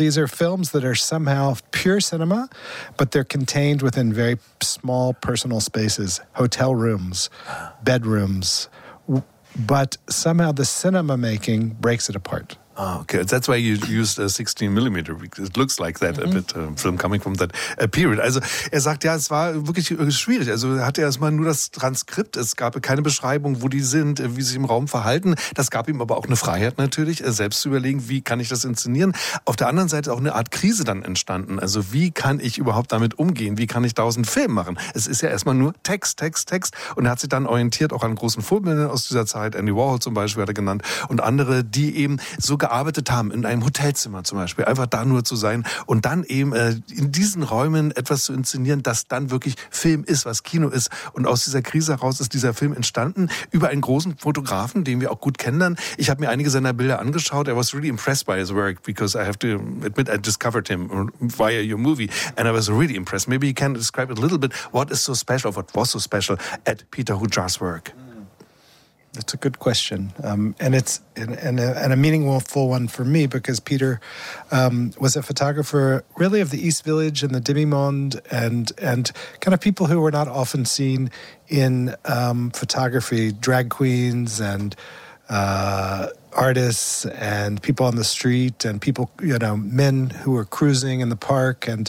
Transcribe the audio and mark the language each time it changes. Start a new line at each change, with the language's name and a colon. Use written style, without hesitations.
English: These are films that are somehow pure cinema, but they're contained within very small personal spaces, hotel rooms, bedrooms. But somehow the cinema making breaks it apart. Oh, okay. That's why you used a 16 millimeter. It looks like that, a bit, film coming from that period.
German: Also, er sagt, ja, es war wirklich schwierig. Also, er hatte erstmal nur das Transkript. Es gab keine Beschreibung, wo die sind, wie sie sich im Raum verhalten. Das gab ihm aber auch eine Freiheit natürlich, selbst zu überlegen, wie kann ich das inszenieren. Auf der anderen Seite auch eine Art Krise dann entstanden. Also, wie kann ich überhaupt damit umgehen? Wie kann ich daraus einen Film machen? Es ist ja erstmal nur Text, Text, Text. Und er hat sich dann orientiert auch an großen Vorbildern aus dieser Zeit. Andy Warhol zum Beispiel hat er genannt. Und andere, die eben sogar gearbeitet haben, in einem Hotelzimmer zum Beispiel, einfach da nur zu sein und dann eben in diesen Räumen etwas zu inszenieren, das dann wirklich Film ist, was Kino ist. Und aus dieser Krise heraus ist dieser Film entstanden, über einen großen Fotografen, den wir auch gut kennen. Ich habe mir einige seiner Bilder angeschaut.
English: I was really impressed by his work, because I have to admit, I discovered him via your movie, and I was really impressed. Maybe you can describe it a little bit, what is so special, what was so special at Peter Hujar's work? That's a good question, and it's and a meaningful one for me, because Peter was a photographer really of the East Village and the Demi-Monde and kind of people who were not often seen in photography, drag queens and artists and people on the street and people, you know, men who were cruising in the park.